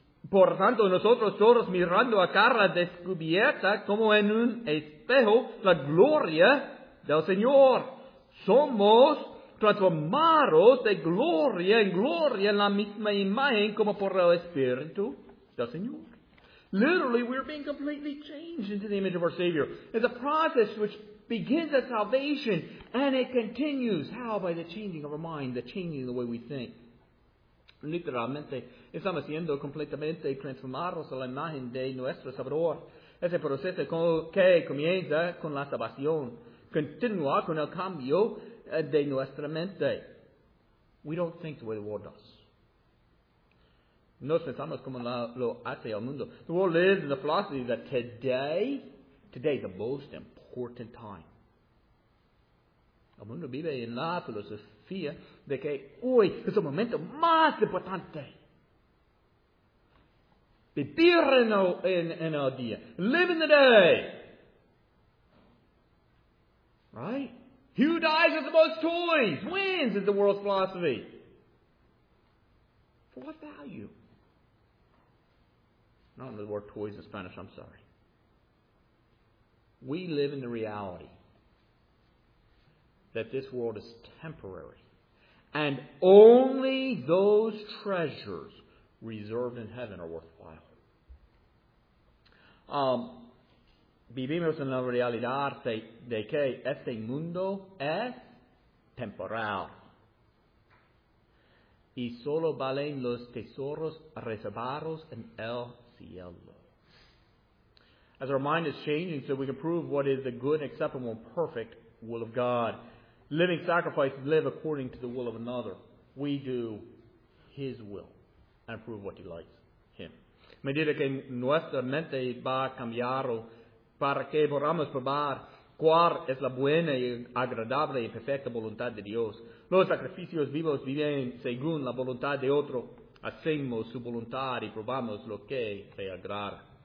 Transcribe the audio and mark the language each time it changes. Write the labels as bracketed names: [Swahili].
[Spanish] Por tanto, nosotros todos mirando a cara descubierta, como en un espejo, la gloria del Señor, somos transformaros de gloria en la misma imagen como por el Espíritu del Señor. [English] Literally, we are being completely changed into the image of our Savior. It's a process which begins at salvation, and it continues. How? By the changing of our mind, the changing of the way we think. [Spanish] Literalmente, estamos siendo completamente transformados a la imagen de nuestro Salvador. Ese proceso que comienza con la salvación, continúa con el cambio de nuestra mente. [English] We don't think the way the world does. [Spanish] No pensamos como lo hace el mundo. [English] The world lives in the philosophy that today is the most important time. [Spanish] El mundo vive en la filosofía de que hoy es el momento más importante. Vivir en el día. [English] Live in the day. Right? Who dies with the most toys? Wins is the world's philosophy. For what value? Not only the word toys in Spanish, I'm sorry. We live in the reality that this world is temporary. And only those treasures reserved in heaven are worthwhile. [Spanish] Vivimos en la realidad de que este mundo es temporal. Y solo valen los tesoros reservados en el cielo. [English] As our mind is changing, so we can prove what is the good, acceptable, and perfect will of God. Living sacrifice, live according to the will of another. We do His will and prove what He likes, Him. [Spanish] Medida que nuestra mente va a cambiar para que podamos probar cuál es la buena y agradable y perfecta voluntad de Dios. Los sacrificios vivos viven según la voluntad de otro. Hacemos su voluntad y probamos lo que le agrada.